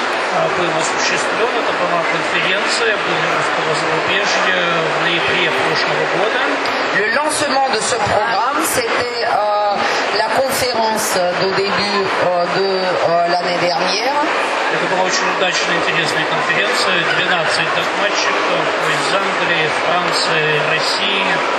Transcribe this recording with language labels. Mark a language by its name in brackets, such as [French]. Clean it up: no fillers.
[Russian] Был осуществлен, это была конференция русского зарубежья в ноябре прошлого года. [French] Le lancement de ce programme, c'était la conférence de début de l'année dernière. [Russian] Это была очень удачная, интересная конференция. 12 докладчиков из Англии, Франции, России.